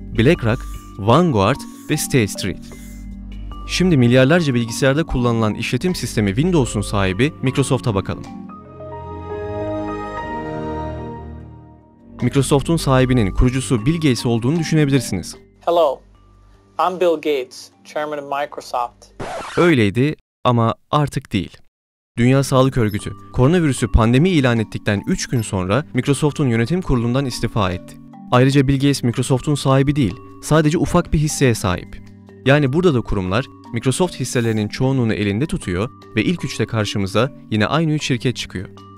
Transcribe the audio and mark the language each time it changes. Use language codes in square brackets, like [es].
[tr] BlackRock, Vanguard ve State Street. Şimdi milyarlarca bilgisayarda kullanılan işletim sistemi Windows'un sahibi Microsoft'a bakalım. Microsoft'un sahibinin kurucusu Bill Gates olduğunu düşünebilirsiniz. [en] Hello, I'm Bill Gates, chairman of Microsoft. [tr] Öyleydi ama artık değil. Dünya Sağlık Örgütü, koronavirüsü pandemi ilan ettikten 3 gün sonra Microsoft'un yönetim kurulundan istifa etti. Ayrıca Bill Gates Microsoft'un sahibi değil, sadece ufak bir hisseye sahip. Yani burada da kurumlar Microsoft hisselerinin çoğunluğunu elinde tutuyor ve ilk üçte karşımıza yine aynı 3 şirket çıkıyor.